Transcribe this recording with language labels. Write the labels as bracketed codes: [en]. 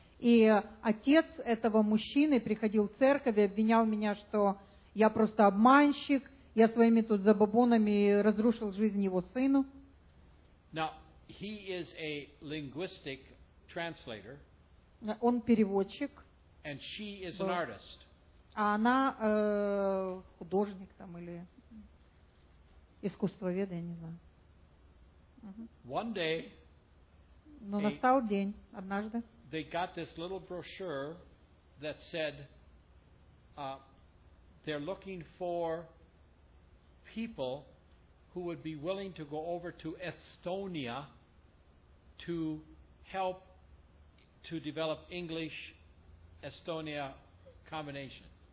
[ru] И отец этого мужчины приходил в церковь и обвинял меня, что я просто обманщик. Я своими тут забабонами разрушил жизнь его сыну. [en] Now, he is a linguistic translator. [ru] Он переводчик. [en] And she is an artist. [ru] А она художник там или искусствовед, я не знаю. [en] Uh-huh. One day, [ru] Но настал день, однажды. [en] They got this little brochure that said they're looking for people who would be willing to go over to Estonia to help to develop English Estonia combination.